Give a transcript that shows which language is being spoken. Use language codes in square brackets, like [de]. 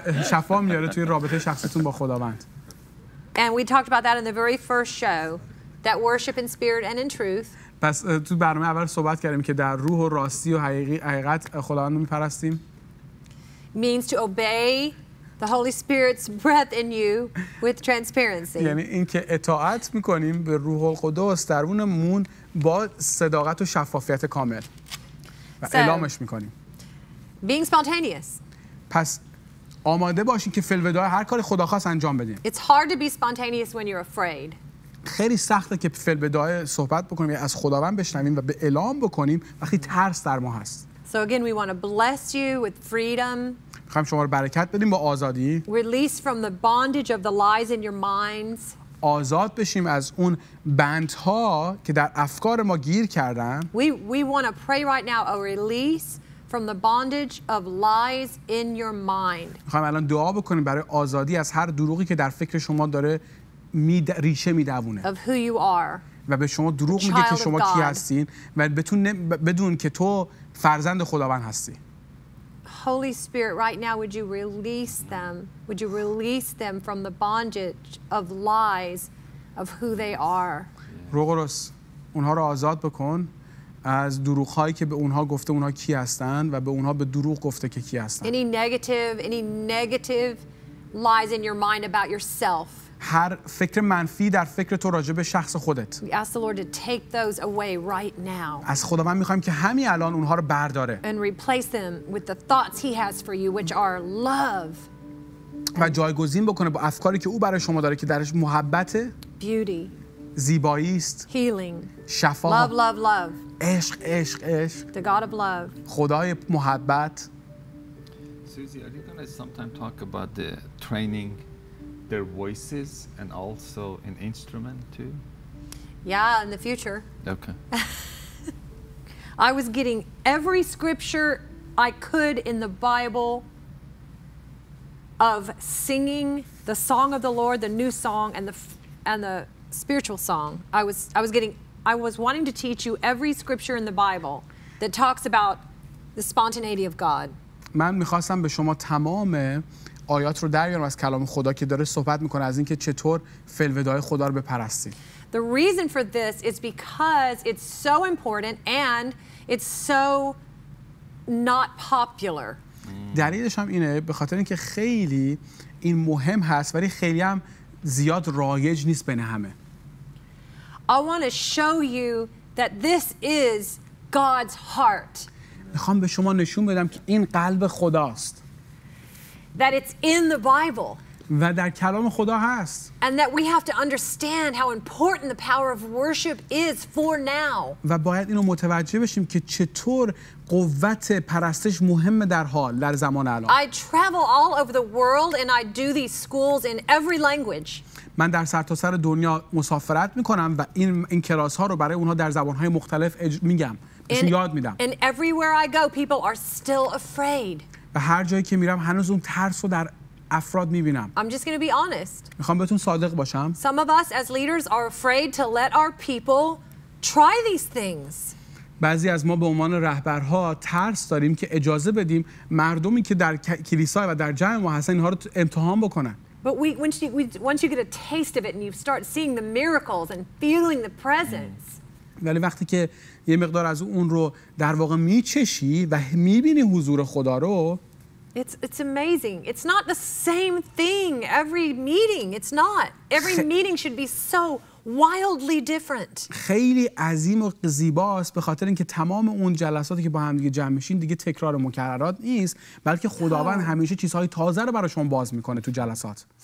[fa] شفا میاره توی رابطه شخصیتون با خداوند. [en] And we talked about that in the very first show, that worship in spirit and in truth. [fa] پس تو برنامه اول صحبت کردیم که در روح و راستی و حقیقت خداوند رو می‌پرستیم. [en] Means to obey the Holy Spirit's breath in you with transparency. [fa] یعنی اینکه اطاعت می‌کنیم به روح القدس درونمون با صداقت و شفافیت کامل. و اعلامش می‌کنیم. [en] Being spontaneous. [fa] پس آماده باشین که فلودا هر کاری خدا خواست انجام بدین. [en] It's hard to be spontaneous when you're afraid. [fa] خیلی سخته که فلودا صحبت بکنیم از خداوند بشنویم و به اعلام بکنیم وقتی ترس در ما هست. [en] So again we want to bless you with freedom. [fa] می‌خوام شما رو برکت بدیم با آزادی. [en] Release from the bondage of the lies in your minds. [fa] آزاد بشیم از اون بندها که در افکار ما گیر کردن. [en] We want to pray right now a release from the bondage of lies in your mind. [fa] می‌خوام الان دعا بکنیم برای آزادی از هر دروغی که در فکر شما داره ریشه میدونه. [en] Of who you are. [fa] و به شما دروغ میگه که شما کی هستین و بدون که تو فرزند خداوند هستی. [en] Holy Spirit, right now would you release them? Would you release them from the bondage of lies of who they are? [fa] روح القدس اونها رو آزاد بکن. از دروغ‌هایی که به اونها گفته اونها کی هستن و به اونها به دروغ گفته که کی هستن. [en] Any negative lies in your mind about yourself. [fa] هر فکر منفی در فکر تو راجع به شخص خودت. [en] We ask the Lord to take those away right now. [fa] از خداوند می‌خوایم که همین الان اونها رو برداره. [en] And replace them with the thoughts he has for you which are love. [fa] و جایگزین بکنه با افکاری که او برای شما داره که درش محبت، [en] beauty. [fa] زیبایی است. [en] Healing. [fa] شفا. [en] Love. [fa] عشق عشق عشق [en] The God of love. [fa] خدای محبت. [en] Suzy, are you going to sometime talk about the training their voices and also an instrument too? Yeah, in the future. Okay. I was getting every scripture I could in the Bible of singing the song of the Lord, the new song and the spiritual song. I was wanting to teach you every scripture in the Bible that talks about the spontaneity of God. [fa] من می‌خواستم به شما تمام آیات رو دریارم از کلام خدا که داره صحبت می‌کنه از اینکه چطور فلودای خدا رو بپرستید. [en] The reason for this is because it's so important and it's so not popular. [fa] دلیلش هم اینه به خاطر اینکه خیلی این مهم هست ولی خیلی هم زیاد رایج نیست بین همه. [en] I want to show you that this is God's heart. [fa] میخوام به شما نشون بدم که این قلب خداست. [en] That it's in the Bible. [fa] و در کلام خدا هست. [en] And that we have to understand how important the power of worship is for now. [fa] و باید اینو متوجه بشیم که چطور قوت پرستش مهمه در حال، در زمان الان. [en] I travel all over the world and I do these schools in every language. [fa] من در سرتاسر دنیا مسافرت میکنم و این کلاس ها رو برای اونها در زبان های مختلف میگم بهشون یاد میدم [en] and everywhere I go people are still afraid [fa] و هر جایی که میرم هنوز اون ترس رو در افراد میبینم [en] I'm just going to be honest [fa] میخوام بهتون صادق باشم [en] some of us as leaders are afraid to let our people try these things [fa] بعضی از ما به عنوان رهبرها ترس داریم که اجازه بدیم مردمی که در کلیسا و در جمع ما هستن اینها رو امتحان بکنن [en] But once you get a taste of it and you start seeing the miracles and feeling the presence. [fa] ولی وقتی که یه مقدار از اون رو در واقع میچشی و میبینی حضور خدا رو [en] It's amazing. It's not the same thing every meeting. It's not. Every meeting should be so wildly different. [fa] خیلی عظیم و زیباست به خاطر اینکه تمام اون جلساتی که با هم دیگه جمع میشین دیگه تکرار مکررات نیست بلکه خداوند همیشه چیزهای تازه رو برای شما باز میکنه تو جلسات.